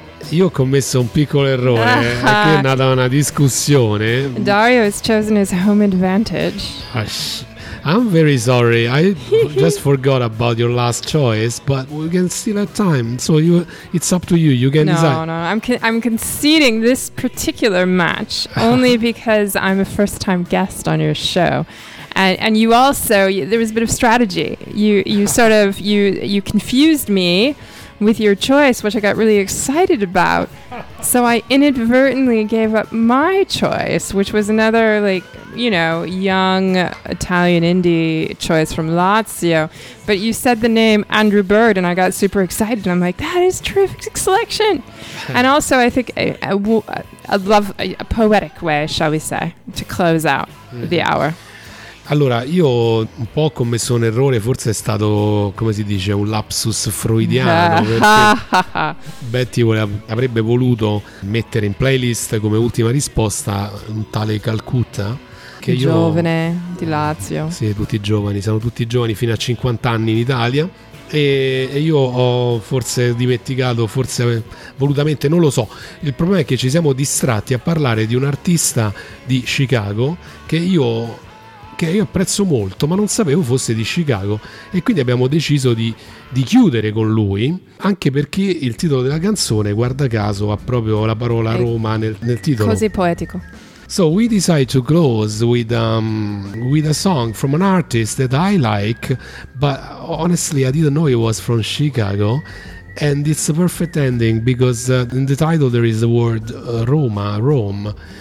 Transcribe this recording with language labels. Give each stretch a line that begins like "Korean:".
Italian: Io ho commesso un piccolo errore, perché è nata una discussione.
English: Dario has chosen his home advantage. I'm very sorry, I just forgot about your last choice, but we can still have time, so you, it's up to you, you can decide. No, I'm conceding this particular match only because I'm a first-time guest on your show. And you also, there was a bit of strategy. You confused me with your choice, which I got really excited about. So I inadvertently gave up my choice, which was another, like, you know, young Italian indie choice from Lazio. But you said the name Andrew Bird, and I got super excited. And I'm like, that is terrific selection. And also, I think a poetic way, shall we say, to close out the hour.
Italian: Allora, io un po' ho commesso un errore, forse è stato, come si dice, un lapsus freudiano, perché Betty avrebbe voluto mettere in playlist come ultima risposta un tale Calcutta. Che il io, giovane di Lazio. Sì, tutti giovani, sono tutti giovani fino a 50 anni in Italia. E io ho forse dimenticato, forse volutamente, non lo so. Il problema è che ci siamo distratti a parlare di un artista di Chicago che io apprezzo molto, ma non sapevo fosse di Chicago, e quindi abbiamo deciso di chiudere con lui, anche perché il titolo della canzone, guarda caso, ha proprio la parola Roma nel titolo. Così poetico.
English: So we decide to close with a song from an artist that I like, but honestly I didn't know it was from Chicago. And it's a perfect ending because in the title there is the word Rome.